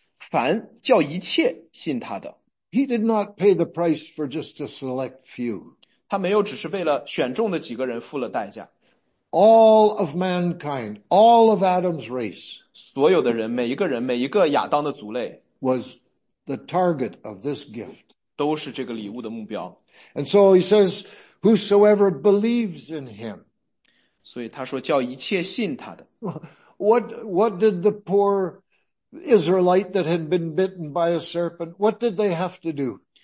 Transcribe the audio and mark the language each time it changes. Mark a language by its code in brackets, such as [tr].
[zh] 所以呢,这个描述了他救赎的广度啊,就是凡叫一切信他的。 [en] He did not pay the price for just a select few. [zh] 他没有只是为了选中的几个人付了代价。 [en] All of mankind, all of Adam's race, [zh] 所有的人,每一个人,每一个亚当的族类, [en] was the target of this gift. [zh] 都是这个礼物的目标。 [en] And so he says, whosoever believes in him. [zh] 所以他说叫一切信他的。 [en] What did the poor Israelite that had been bitten by a serpent, what did they have to do?